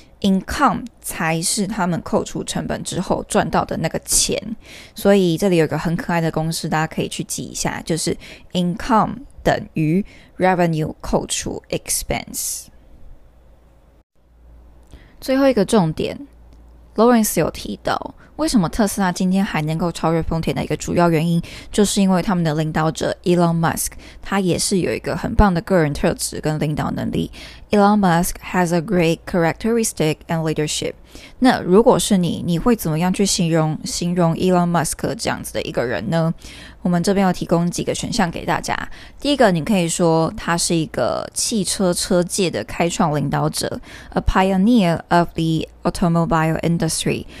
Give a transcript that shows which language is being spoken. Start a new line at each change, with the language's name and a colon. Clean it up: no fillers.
Chinese: Income 才是他们扣除成本之后赚到的那个钱，所以这里有一个很可爱的公式，大家可以去记一下，就是 Income 等于 Revenue 扣除 Expense。最后一个重点， Lawrence 有提到为什么特斯拉今天还能够超越丰田的一个主要原因，就是因为他们的领导者 Elon Musk， 他也是有一个很棒的个人特质跟领导能力。
English: Elon Musk has a great characteristic and leadership。
Chinese: 那如果是你，你会怎么样去形容 Elon Musk 这样子的一个人呢？我们这边要提供几个选项给大家。第一个，你可以说他是一个汽车车界的开创领导者，
English: A pioneer of the automobile industry。